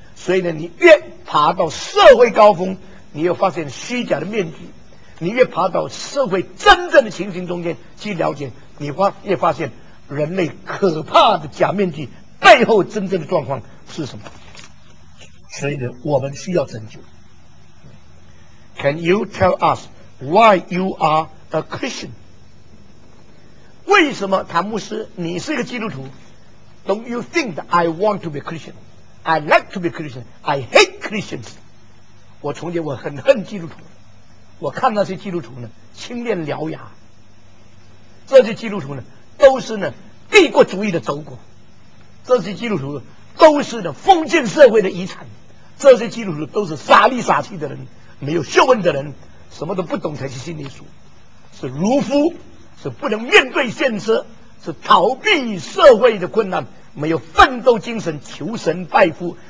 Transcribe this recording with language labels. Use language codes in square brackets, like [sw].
[zh] 所以呢，你越爬到社会高峰，你又发现虚假的面具；你越爬到社会真正的情形中间去了解，你越发现人类可怕的假面具背后真正的状况是什么。所以呢，我们需要拯救。 [en] Can you tell us why you are a Christian? [zh] 为什么谭牧师你是一个基督徒？ [en] Don't you think that I want to be Christian? I like to be Christian. I hate Christians. [zh] 我从前我很恨基督徒，我看那些基督徒呢青面獠牙，这些基督徒呢都是呢帝国主义的走狗，这些基督徒都是呢封建社会的遗产，这些基督徒都是傻里傻气的人，没有学问的人，什么都不懂才是心理书，是如夫，是不能面对现实，是逃避社会的困难，没有奋斗精神，求神拜佛。